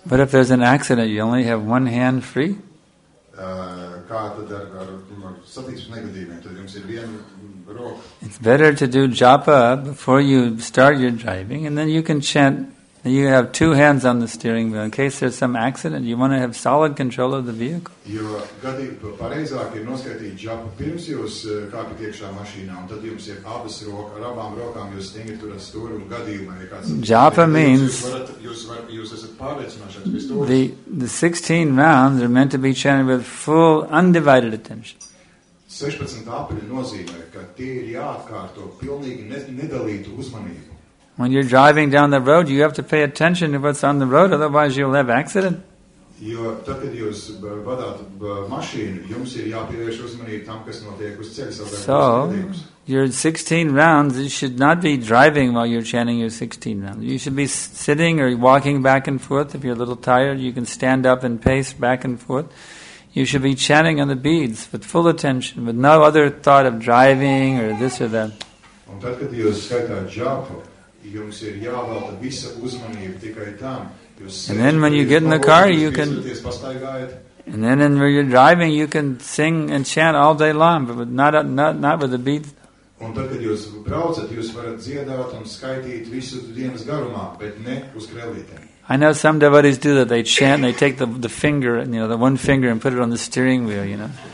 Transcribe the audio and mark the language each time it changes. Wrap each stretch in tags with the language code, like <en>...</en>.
<en>But if there's an accident, you only have one hand free? It's better to do japa before you start your driving, and then you can chant You have two hands on the steering wheel. In case there's some accident, you want to have solid control of the vehicle.</en> <lv>Jo pareizāk ir noskatīt džapu pirms jūs kāpjat iekšā mašīnā, un tad jums ir abas rokas, ar abām rokām jūs stingri turat stūri, un gadījumā, ja kāds...</lv> <en>Džapa means...</en> <lv>Jūs esat pārliecināšanas pie stūras.</lv> <en>The 16 rounds are meant to be chanted with full, undivided attention.</en> <lv>16 apaļi nozīmē, ka tie ir jāatkārto pilnīgi nedalītu uzmanību.</lv> <en>When you're driving down the road, you have to pay attention to what's on the road, otherwise you'll have accident.</en> <lv>Jo tad, kad jūs vadāt mašīnu, jums ir jāpievērš uzmanība tam, kas notiek uz ceļa.</lv> <en>So, your 16 rounds, you should not be driving while you're chanting your 16 rounds. You should be sitting or walking back and forth. If you're a little tired, you can stand up and pace back and forth. You should be chanting on the beads with full attention, with no other thought of driving or this or that.</en> <lv>Un tad, kad jūs skaitāt džapu, jums ir jāvelta visa uzmanība tikai tam.</lv> <en>And then when you get in the car, you can... And then when you're driving, you can sing and chant all day long, but not with the beats.</en> <lv>Un tad, kad jūs braucat, jūs varat dziedāt un skaitīt visu dienas garumā, bet ne uz krellītēm.</lv> <en>I know some devotees do that. They chant, they take the finger, you know, the one finger and put it on the steering wheel, you know.</en>